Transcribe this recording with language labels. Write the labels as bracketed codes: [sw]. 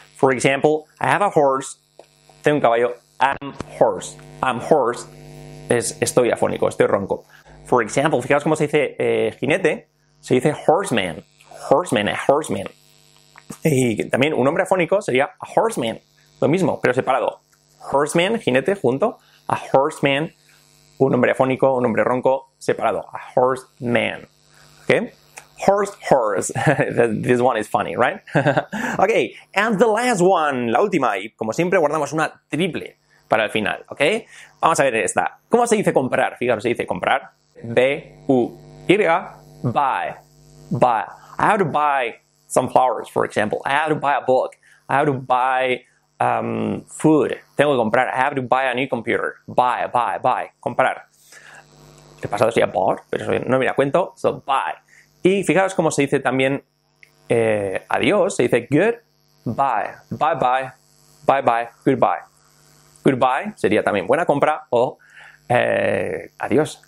[en] For example, I have a horse. [es] Tengo un caballo. [en] I'm horse. I'm horse. [es] Estoy afónico, estoy ronco. [en] For example, [es] fijaos cómo se dice jinete. Se dice horseman. Horseman, a horseman. Y también un hombre afónico sería a horseman. Lo mismo, pero separado. Horseman, jinete, junto. A horseman, un hombre afónico, un hombre ronco, separado. [en] A horseman. Okay? Horse, horse. This one is funny, right? Okay, and the last one. [es] La última. Y como siempre, guardamos una triple para el final. Okay? Vamos a ver esta. ¿Cómo se dice comprar? Fijaros, se dice comprar. [en] B-U-Y. Buy. Buy. I have to buy some flowers, for example. I have to buy a book. I have to buy food. [es] Tengo que comprar. [en] I have to buy a new computer. Buy, buy, buy. Comprar. [es] El pasado sería bought, pero no me da cuenta. So, buy. Y fijaros cómo se dice también adiós. Se dice [en] good, bye. Bye, bye. Bye, bye. Goodbye. [es] Goodbye sería también buena compra o adiós.